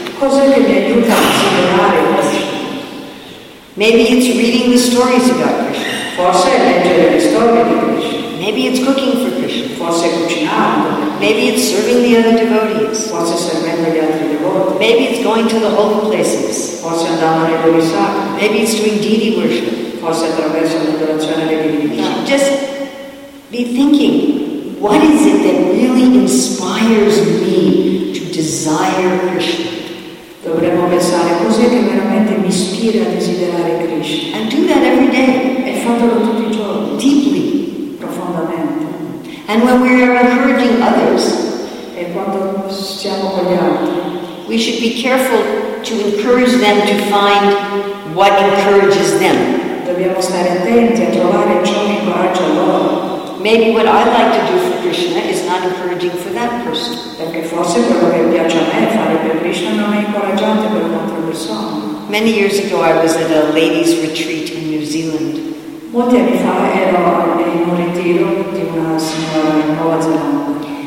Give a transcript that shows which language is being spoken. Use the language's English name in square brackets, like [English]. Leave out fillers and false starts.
[Italian] Cos'è che mi aiuta a desiderare Krishna? [English] Maybe it's reading the stories about Krishna. [Italian] Forse è leggere le storie di Krishna. [English] Maybe it's cooking for Krishna. [Italian] Forse è cucinando. [English] Maybe it's serving the other devotees. [Italian] Forse servendo gli altri devoti. [English] Maybe it's going to the holy places. [Italian] Forse andando nei luoghi sacri. [English] Maybe it's doing deity worship. [Italian] Forse attraverso l'adorazione dei divini. [English] No. Just be thinking, what is it that really inspires me to desire Krishna? [Italian] Dovremmo pensare, cos'è che veramente mi ispira a desiderare Krishna? [English] And do that every day. [Italian] E fatelo tutti i giorni. [English] Deeply. [Italian] Profondamente. [English] And when we are encouraging others, [Italian] e quando siamo con gli altri, [English] we should be careful to encourage them to find what encourages them. [Italian] Dobbiamo stare attenti a trovare ciò che incoraggia loro. [English] Maybe what I like to do for Krishna is not encouraging for that person. [Italian] Perché forse quello che piace a me fare per Krishna non è incoraggiante per un'altra persona. [English] Many years ago I was at a ladies retreat in New Zealand. [Italian] Molti anni fa ero in un ritiro di una signora in Nuova Zelanda.